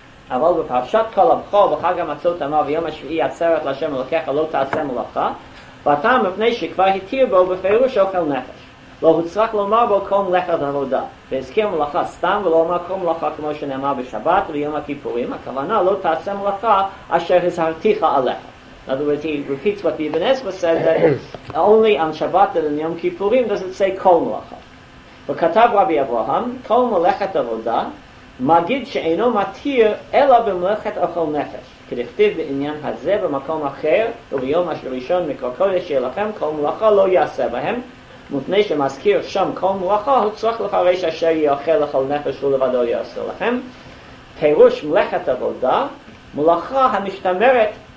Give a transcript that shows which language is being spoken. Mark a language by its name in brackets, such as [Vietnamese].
[Hebrew] אבל בפרשת כל הבכור וחג המצות אמר ויום השביעי עצרת לה' אלוקיך לא תעשה מלאכה ואתה מפני שכבר התיר בו בפירוש אוכל נפש לא הוצרך לומר בו כל מלאכת עבודה והזכיר מלאכה סתם ולא אומר כל מלאכה כמו שנאמר בשבת ויום הכיפורים הכוונה לא תעשה מלאכה אשר הזהרתיך עליך. [English] In other words, he repeats what the Ibn Ezra said, that only on Shabbat and on Yom Kippurim does it say kol melacha. [Hebrew] וכתב רבי אברהם, כל מלאכת עבודה, מגיד שאינו מתיר אלא במלאכת אוכל נפש, כדכתיב בעניין הזה במקום אחר, וביום הראשון מקרא קודש יהיה לכם, כל מלאכה לא יעשה בהם, מפני שמזכיר שם כל מלאכה, הוא צריך לפרש אשר יאכל לכל נפש ולבדו יעשה לכם. פירוש מלאכת עבודה, מלאכה המשתמרת